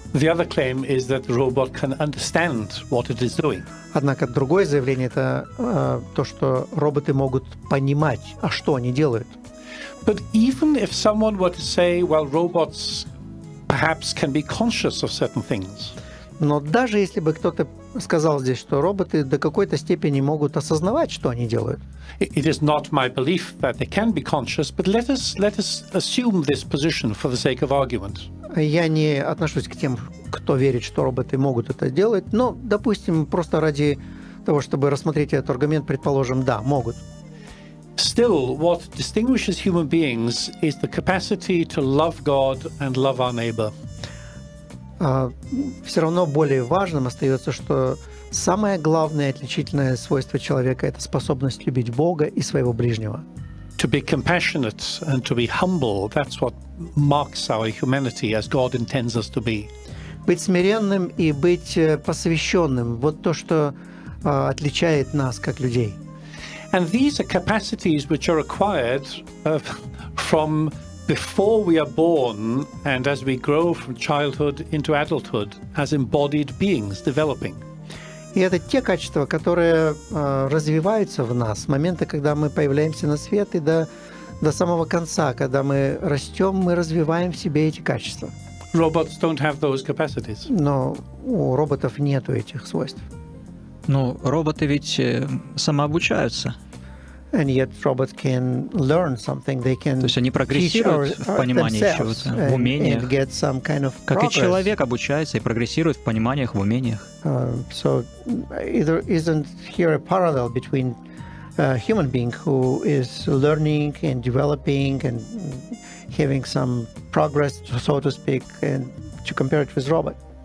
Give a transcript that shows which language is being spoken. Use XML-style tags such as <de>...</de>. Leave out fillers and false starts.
<en>The other claim is that the robot can understand what it is doing.</en> <ru>Однако другое заявление – это то, что роботы могут понимать, а что они делают.</ru> <en>But even if someone were to say, well, robots perhaps can be conscious of certain things.</en> <ru>Но даже если бы кто-то сказал здесь, что роботы до какой-то степени могут осознавать, что они делают.</ru> <en>It is not my belief that they can be conscious, but let us assume this position for the sake of argument.</en> <ru>Я не отношусь к тем, кто верит, что роботы могут это делать, но, допустим, просто ради того, чтобы рассмотреть этот аргумент, предположим, да, могут.</ru> <en>Still, what distinguishes human beings is the capacity to love God and love our neighbor.</en> <ru>Все равно более важным остается, что самое главное отличительное свойство человека – это способность любить Бога и своего ближнего.</ru> <en>To be compassionate and to be humble – that's what marks our humanity as God intends us to be.</en> <ru>Быть смиренным и быть посвященным – вот то, что отличает нас как людей.</ru> <en>And these are capacities which are acquired from before we are born and as we grow from childhood into adulthood as embodied beings developing.</en> <ru>И это те качества, которые развиваются в нас с момента, когда мы появляемся на свет и до самого конца, когда мы растем, мы развиваем в себе эти качества.</ru> <en>Robots don't have those capacities.</en> <ru>Но у роботов нету этих свойств. Ну, роботы ведь самообучаются.</ru> <en>And yet robots can learn something, they can</en> <ru>То есть они прогрессируют в понимании чего-то, в умениях.</ru> <en>Get some kind of</en> <ru>как и человек обучается и прогрессирует в пониманиях, в умениях.</ru> <en>So either isn't here a parallel between a human being who is learning and developing and having some progress, so to speak, and to compare it with robot?</en>